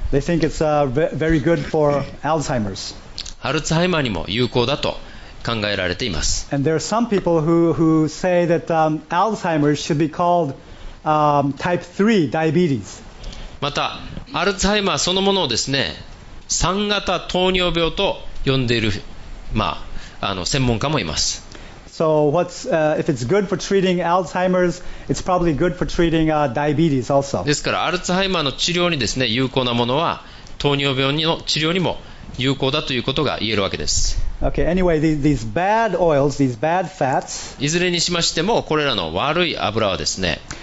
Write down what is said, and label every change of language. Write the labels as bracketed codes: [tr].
[en] They think it's, very good for Alzheimer's. [ja] アルツハイマーにも有効だと考えられています。 [en] And there are some people who say that, Alzheimer's should be called, type 3 diabetes. [ja] またアルツハイマーそのものをですね、3型糖尿病と呼んでいる、専門家もいます。 [en] So what's, if it's good for treating Alzheimer's, it's probably good for treating, diabetes also. [ja] ですからアルツハイマーの治療にですね、有効なものは糖尿病の治療にも有効だということが言えるわけです。 [en] Okay, anyway, these bad oils, these bad fats, [ja] いずれにしましてもこれらの悪い油はですね、